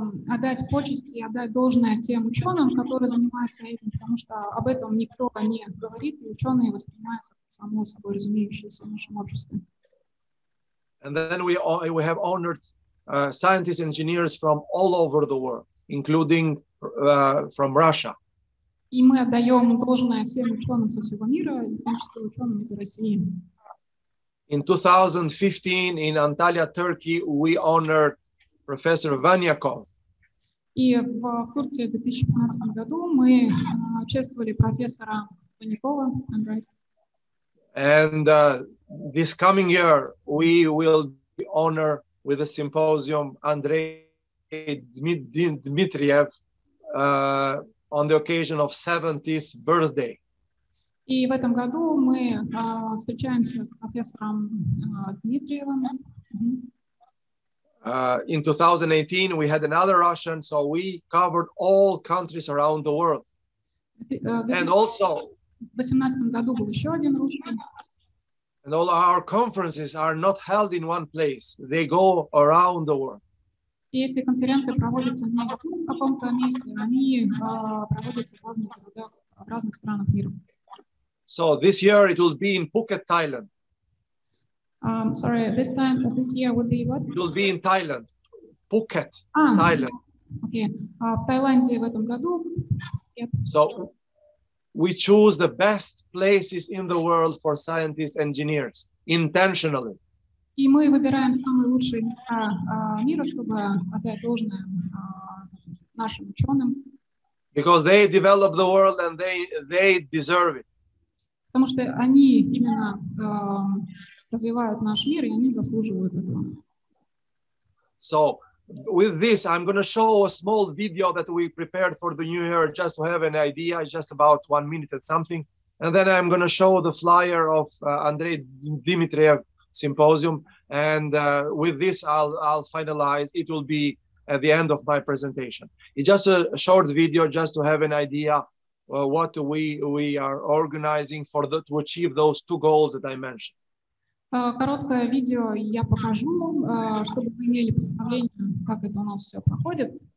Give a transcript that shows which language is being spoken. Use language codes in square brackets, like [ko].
[ru] Отдать почести и отдать должное тем ученым, которые занимаются этим, потому что об этом никто не говорит, и ученые воспринимаются само собой разумеющиеся в нашем обществе. [en] And then we have honored scientists and engineers from all over the world, including from Russia. [ru] И мы отдаем должное всем ученым со всего мира, и в том числе ученым из России. [en] In 2015, in Antalya, Turkey, we honored Professor Vanyakov. [ru] И в Турции в 2015 году мы чествовали профессора Ванякова. [en] And this coming year, we will honor with a symposium Andrei Dmitriev, on the occasion of 70th birthday. [ru] И в этом году мы встречаемся с профессором Дмитриевым. [en] In 2018 we had another Russian, so we covered all countries around the world. And also, and all our conferences are not held in one place, they go around the world. [ru] И эти конференции проводятся не в каком-то месте, они проводятся в разных странах мира. [en] So this year it will be in Phuket, Thailand. Sorry, this time, this year would be what? It will be in Thailand, Phuket, Thailand. [ru] Okay, в Таиланде в этом году. [en] Yep. So we choose the best places in the world for scientists, engineers, intentionally. [ru] И мы выбираем самые лучшие места мира, чтобы отдать должное нашим ученым. [en] Because they develop the world and they deserve it. [ru] Потому что они именно развивают наш мир, и они заслуживают этого. [en] So, with this, I'm going to show a small video that we prepared for the new year, just to have an idea, just about 1 minute and something. And then I'm going to show the flyer of Andrei Dmitriev symposium. And with this, I'll finalize. It will be at the end of my presentation. It's just a short video, just to have an idea what we are organizing for the, to achieve those two goals that I mentioned. [ru] Короткое видео я покажу, чтобы вы имели представление, как это у нас все проходит.